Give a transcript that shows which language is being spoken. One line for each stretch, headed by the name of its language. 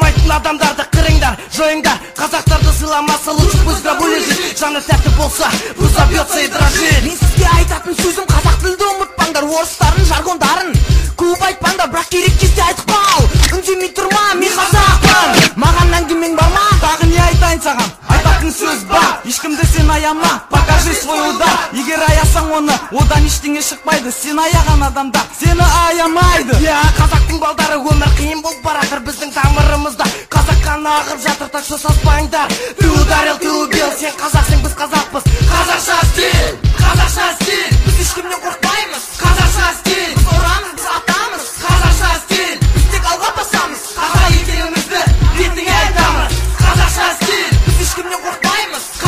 Kazakh: Адамдарды қырыңдар, жойыңдар. Қазақтарды сыйламаса,
Russian: лучше пусть да вылезет.
Kazakh: Жаны тәтті болса,
Russian: пусть забьется и дрожит.
Kazakh: Мен сізге айтатын сөзім, қазақ тілді ұмытпаңдар. Орыстарын, жаргондарын көп айтпаңдар. Бірақ керек кезде айтпау, үндемей тұрма. Мен қазақпын, маған әңгімең бар ма? Тағы не айтайын саған, айтатын сөз бар. Ешкімді сен аяма,
Russian: покажи свой удар.
Kazakh: Егер аясаң оны, одан ештеңе шықпайды. Сен аяған адамдар сені аямайды. Иә, қазақтың балдары, өмір қиын болып баратыр. Біздің тамырымызда қазақ қаны ағып жатыр.
Russian: Так что саспаңдар, ты ударил, ты убил.
Kazakh: Сен қазақсың, біз қазақпыз. Қазақша стиль, қазақша стиль. Біз ешкімнен қорықпаймыз. Қазақша стиль, біз ұрамыз, біз атамыз. Қазақша стиль, біз тек алға басамыз. Қазақ екенімізді ретіңе айтамыз. Қазақша стиль, біз ешкімнен қорықпаймыз.